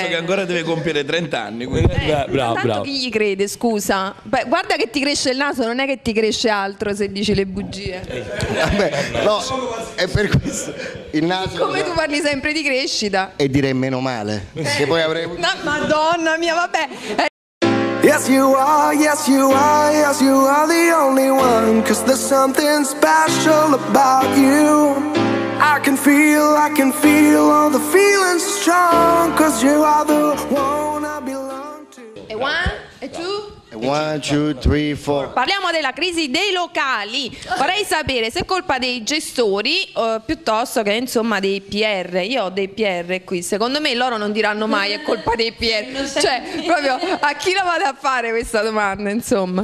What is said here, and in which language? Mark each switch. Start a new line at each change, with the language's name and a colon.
Italian: Perché ha detto che ancora deve compiere 30 anni. Bravo. Chi gli crede, scusa? Beh, guarda che ti cresce il naso, non è che ti cresce altro se dici le bugie. Vabbè, no, è per questo. Il naso. Come tu parli sempre di crescita. E direi meno male. Che poi avrei... Madonna mia, vabbè.
English: Yes you are, yes you are, yes you are the only one. Cause there's something special about you. I can feel all the feelings strong. Cause you are the one I belong to. E one, e two? 1, 2, 3, 4.
Italian: Parliamo della crisi dei locali. Vorrei sapere se è colpa dei gestori piuttosto che insomma dei PR. Io ho dei PR qui. Secondo me loro non diranno mai è colpa dei PR. Cioè proprio a chi la vado a fare questa domanda insomma.